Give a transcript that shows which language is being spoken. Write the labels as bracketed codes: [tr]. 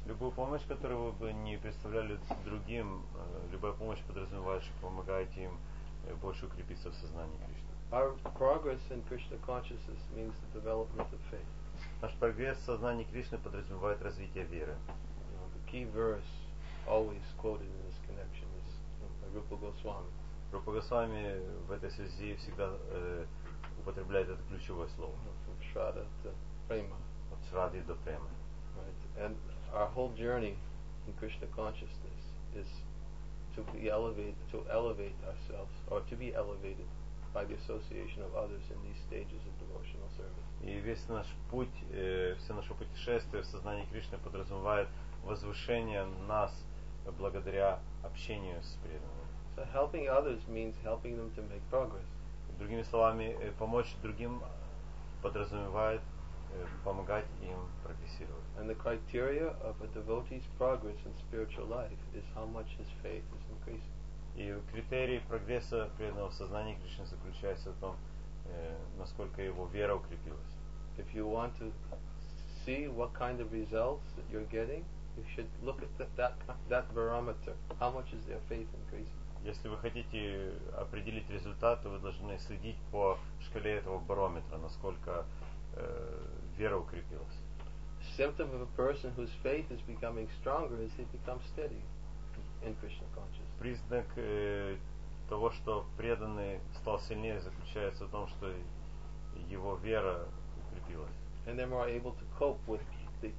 [ru] Любую помощь, которую вы бы не представляли другим, любая помощь подразумевает, что помогаете им больше укрепиться в сознании Кришны. [en] Our progress in Krishna consciousness means the development of faith. [ru] Наш прогресс в сознании Кришны подразумевает развитие веры. [en] The key verse always quoted in this connection is Rupa Goswami. [ru] Rupa Goswami в этой связи всегда употребляет это ключевое слово. [en] From Shraddha to Prema. [ru] От Шрадды до Премы. [en] Right. And our whole journey in Krishna consciousness is to elevate ourselves, or to be elevated by the association of others in these stages of devotional service. [ru] И весь наш путь, все наше путешествие в сознании Кришны подразумевает возвышение нас благодаря общению с преданными. [en] So helping others means helping them to make progress. [ru] Другими словами, помочь другим подразумевает помогать им прогрессировать. [en] And the criteria of a devotee's progress in spiritual life is how much his faith is increasing. [ru] И критерий прогресса преданного в сознании Кришны заключается в том, насколько его вера укрепилась. [en] If you want to see what kind of results that you're getting, you should look at that barometer. How much is their faith increasing? [ru] Если вы хотите определить результат, то вы должны следить по шкале этого барометра, насколько вера укрепилась. [en] Symptom of a person whose faith is becoming stronger is they become steady in Krishna consciousness. [ru] Признак того, что преданный стал сильнее, заключается в том, что его вера укрепилась. [en] And they're more able to cope with the.